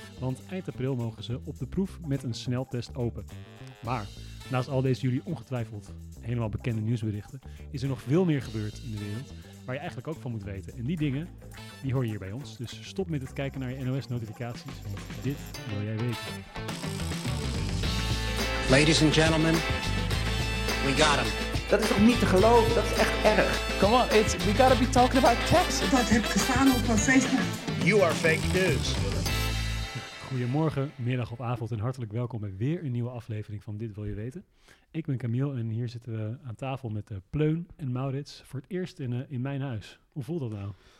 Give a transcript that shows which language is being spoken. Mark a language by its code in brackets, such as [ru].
[nl] Want eind april mogen ze op de proef met een sneltest open. Maar naast al deze jullie ongetwijfeld helemaal bekende nieuwsberichten, is er nog veel meer gebeurd in de wereld waar je eigenlijk ook van moet weten. En die dingen, die hoor je hier bij ons. Dus stop met het kijken naar je NOS-notificaties. Dit wil jij weten. [en] Ladies and gentlemen, we got him. [nl] Dat is toch niet te geloven? Dat is echt erg. [en] Come on, it's, we gotta be talking about text. [nl] Dat heb ik gestaan op Facebook. [en] You are fake news. [nl] Goedemorgen, middag of avond en hartelijk welkom bij weer een nieuwe aflevering van Dit Wil Je Weten. Ik ben Camille en hier zitten we aan tafel met Pleun en Maurits voor het eerst in mijn huis. Hoe voelt dat nou?